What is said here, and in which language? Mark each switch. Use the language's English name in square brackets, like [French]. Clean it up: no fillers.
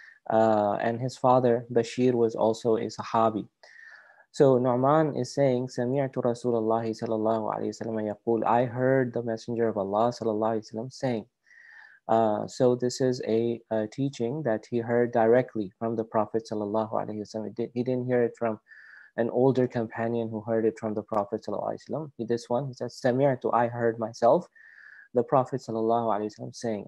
[English] And his father, Bashir, was also a Sahabi. So Nu'man is saying, [Arabic] سَمِعْتُ رَسُولَ اللَّهِ صَلَى اللَّهُ عَلَيْهِ وَسَلَمَ يَقُولُ [English] I heard the Messenger of Allah, صلى الله عليه وسلم, saying. So this is a teaching that he heard directly from the Prophet, صلى الله عليه وسلم. He didn't hear it from an older companion who heard it from the Prophet, صلى الله عليه وسلم. This one, he says, سَمِعْتُ I heard myself, the Prophet, صلى الله عليه وسلم, saying.